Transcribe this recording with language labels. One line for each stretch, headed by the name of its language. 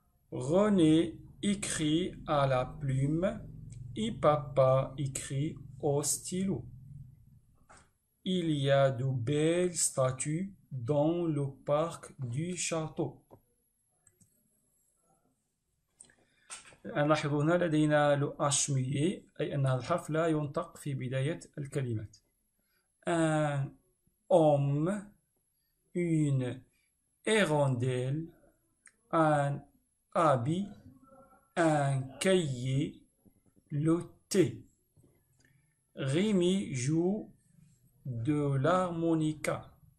French: René écrit à la plume et papa écrit au stylo. Il y a de belles statues dans le parc du château.
Arabic: نلاحظ هنا لدينا لو أشميي أي أن الحرف لا ينطق في بداية الكلمات.
French: Un homme, une hirondelle, un habit, un cahier, le thé. Rémi joue de l'harmonica.